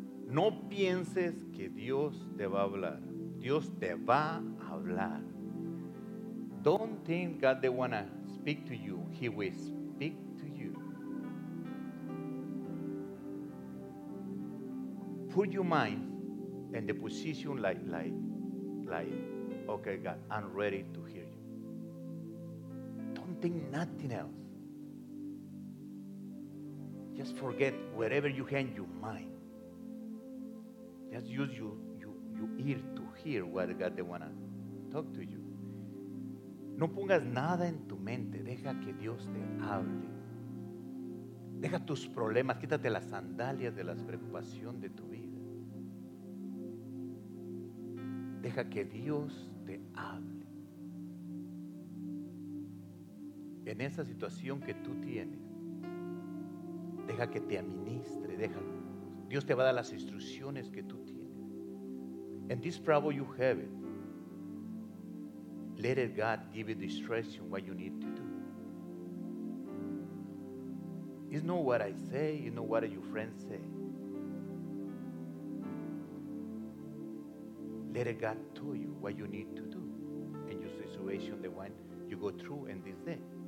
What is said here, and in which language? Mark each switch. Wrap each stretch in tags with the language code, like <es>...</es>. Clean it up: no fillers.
<es>No pienses que Dios te va a hablar. Dios te va a hablar.</es> <en>Don't think God they want to speak to you. He will speak to you. Put your mind in the position like, okay, God, I'm ready to hear you. Don't think nothing else. Just forget wherever you hang your mind. Just use your ear to hear what God they want to talk to you.</en> <es>No pongas nada en tu mente. Deja que Dios te hable. Deja tus problemas. Quítate las sandalias de las preocupaciones de tu vida. Deja que Dios te hable. En esa situación que tú tienes, deja que te administre. Deja. Dios te va a dar las instrucciones que tú tienes.</es> <en>And this problem you have it. Let it God give you discretion what you need to do. It's not what I say, you know what your friends say. Let it God tell you what you need to do in your situation, the one you go through in this day.</en>